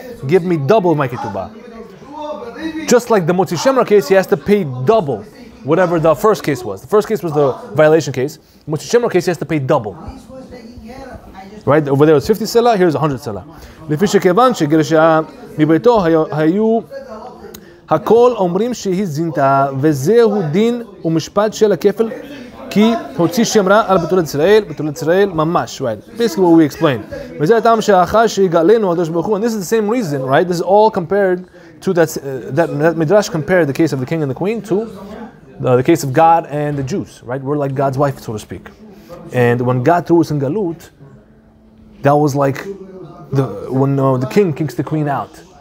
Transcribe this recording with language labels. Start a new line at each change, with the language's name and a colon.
English: Give me double my ketubah. Just like the Motzi Shemra case, he has to pay double whatever the first case was. The first case was the violation case. Motzi Shemra case, he has to pay double. Right over there was 50 sela, here's 100 sela.
Hebrew: לפי שכיוון שגרשה מביתו היו הכל אומרים שהיא זינתה וזהו דין ומשפט של הכפל כי הוציא שמרה על בתולת ישראל ממש.
English: Right, basically what we explained.
Hebrew: וזה הטעם שאחר שהגעלנו הקדוש ברוך הוא.
English: And this is the same reason, right? This is all compared to that midrash compared the case of the king and the queen to the case of God and the Jews. Right, we're like God's wife, so to speak. And when God threw us in Galut, that was like when the king kicks the queen out.